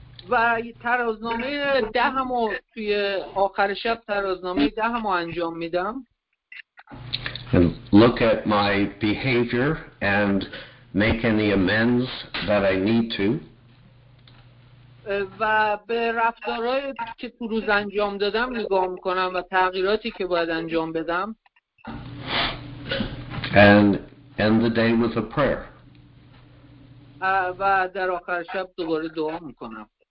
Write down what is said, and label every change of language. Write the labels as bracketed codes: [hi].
[fa] و ترازنامه دهمو توی آخر شب ترازنامه دهمو انجام میدم. [en] Look at my behavior and make any amends that I need to. [fa] و به رفتارهایی که تو روز انجام دادم نگاه میکنم و تغییراتی که باید انجام بدم. [en] And end the day with a prayer. [fa] و در آخر شب دوباره دعا میکنم.